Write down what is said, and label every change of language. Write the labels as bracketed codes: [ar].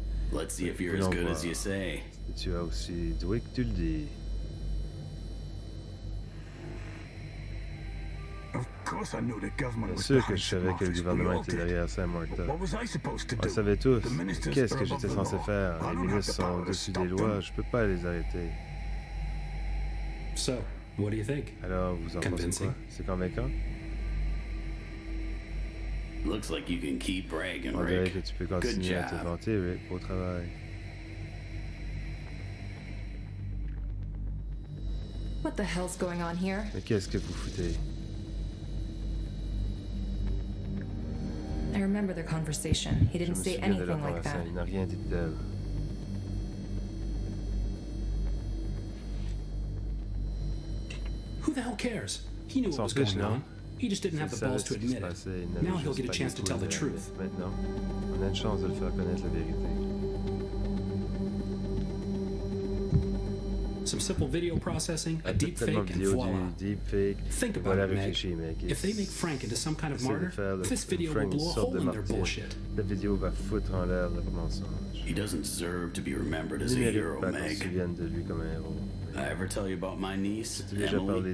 [en] Let's see if you're as good as you say. [fr] Tu as aussi doué que tu le dis. Bien sûr que je savais que le gouvernement était derrière Saint-Martin. On le savait tous. Qu'est-ce que j'étais censé faire? Les ministres sont au-dessus des lois, je ne peux pas les arrêter. Alors, vous en pensez quoi? C'est convaincant? On dirait que tu peux continuer à te vanter, Rick, au travail. Mais qu'est-ce que vous foutez? [en] I remember their conversation. He didn't say anything like that. [fr] Il n'a rien dit d'elle. [en] Who the hell cares? He knew what was going on. He just didn't have the balls to admit it. Now he'll get a chance to tell the truth. [fr] Maintenant, on a une chance de le faire connaître la vérité. [en] Some simple video processing, a deep fake, and voilà. Deep fake. Think about it, Meg. If they make Frank into some kind of martyr, this video will blow a hole in their bullshit. [fr] La vidéo va foutre en l'air leur mensonge. [en] He doesn't deserve to be remembered as a hero, Meg. I ever tell you about my niece, Emily?